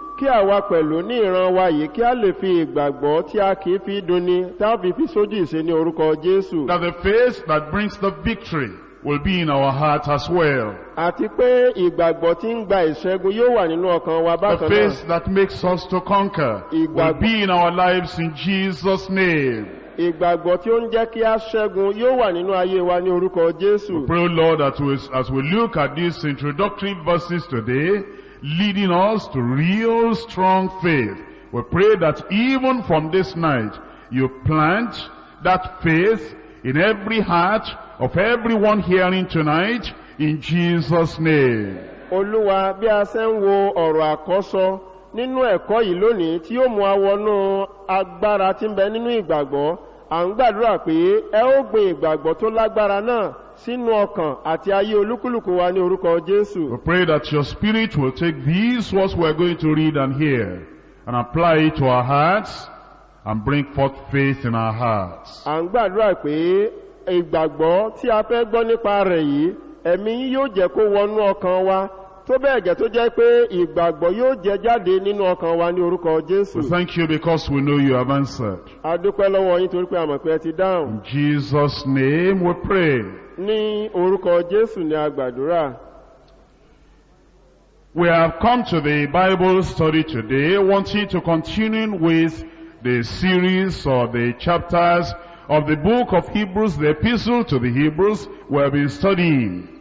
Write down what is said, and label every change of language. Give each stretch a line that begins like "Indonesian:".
Yoruba: Kí àwa pẹ̀lú ní ìran wa yìí kí a lè fi ìgbàgbọ́ tí a kì í fi dunni tá a fi fi sójú ìṣe ní orúkọ Jésù.
English: That the faith that brings the victory will be in our heart as well.
Yoruba: Àti pé ìgbàgbọ́ tí ń gba ìṣẹ́gun yóò wà nínú ọkàn wa bákan náà.
English: The faith that makes us to conquer will be in our lives in Jesus' name.
Yoruba: Ìgbàgbọ́ tí ó ń jẹ́ kí a ṣẹ́gun yóò wà nínú ayé wa ní orúkọ Jésù.
English: We pray, Lord, that as we look at these introductory verses today, leading us to real strong faith. We pray that even from this night, you plant that faith in every heart of everyone hearing tonight, in Jesus' name.
Yoruba: Olúwa, bí a ṣe ń wo ọ̀rọ̀ àkọ́sọ nínú ẹ̀kọ́ yìí lónìí tí yóò mú wa wọnú agbára tí ń bẹ nínú ìgbàgbọ́, à ń gbàdúrà pé ẹ ó gbin ìgbàgbọ́ tó lágbára náà sínú ọkàn àti ayé olúkúlùkù wa ní orúkọ Jésù.
English: We pray that your spirit will take these words we are going to read and hear and apply it to our hearts and bring forth faith in our hearts.
Yoruba: À ń gbàdúrà pé ìgbàgbọ́ tí a fẹ́ gbọ́ nípa rẹ̀ yìí, ẹ̀mí yín yóò jẹ́ kó wọnú ọkàn wa, tó bẹ́ẹ̀ jẹ́ tó jẹ́ pé ìgbàgbọ́ yóò jẹ jáde nínú ọkàn wa ní orúkọ Jésù.
English: We thank you because we know you have answered.
Yoruba: A dúpẹ́ lọ́wọ́ yín torí pé a mọ̀ pé ẹ ti dáhùn.
English: In Jesus' name we pray.
Yoruba: Ní orúkọ Jésù ni a gbàdúrà.
English: We have come to the Bible study today wanting to continue with the series or the chapters of the book of Hebrews, the epistle to the Hebrews we have been studying.